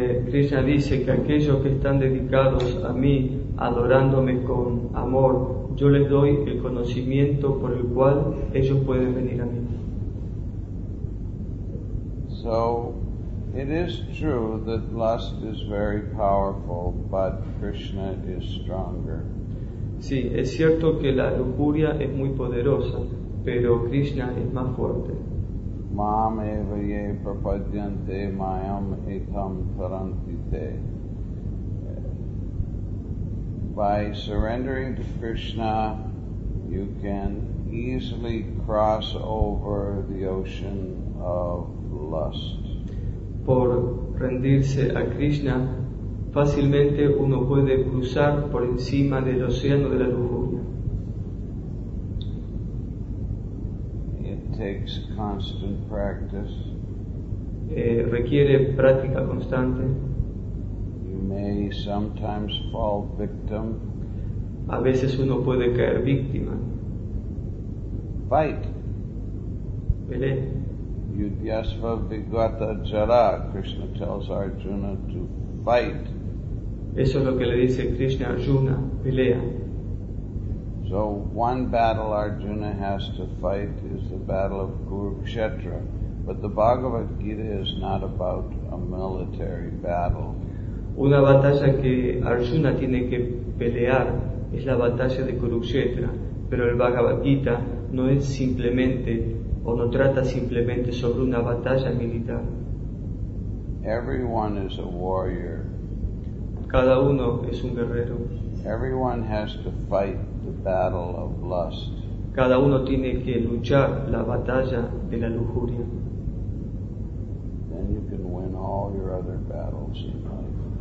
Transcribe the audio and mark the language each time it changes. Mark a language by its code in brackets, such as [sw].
[es] Krishna dice que aquellos que están dedicados a mí, adorándome con amor, yo les doy el conocimiento por el cual ellos pueden venir a mí. [en] So, it is true that lust is very powerful, but Krishna is stronger. [es] Sí, es cierto que la lujuria es muy poderosa, pero Krishna es más fuerte. [sa] Mam eva ye prapadyante mayam etam tarantite. [en] By surrendering to Krishna, you can easily cross over the ocean of lust. [es] Por rendirse a Krishna, fácilmente uno puede cruzar por encima del océano de la lujuria. [en] It takes constant practice. [es] Requiere práctica constante. [en] You may sometimes fall victim. [es] A veces uno puede caer víctima. [en] Fight. [es] Pele. [sa] Yudhyasva vigata jara. [en] Krishna tells Arjuna to fight. [es] Eso es lo que le dice Krishna a Arjuna, pelea. [en] So one battle Arjuna has to fight is the battle of Kurukshetra. But the Bhagavad Gita is not about a military battle. [es] Una batalla que Arjuna tiene que pelear es la batalla de Kurukshetra, pero el Bhagavad Gita no es simplemente o no trata simplemente sobre una batalla militar. [en] Everyone is a warrior. [es] Cada uno es un guerrero. [en] Everyone has to fight the battle of lust. [es] Cada uno tiene que luchar la batalla de la lujuria. [en] Then you can win all your other battles in life.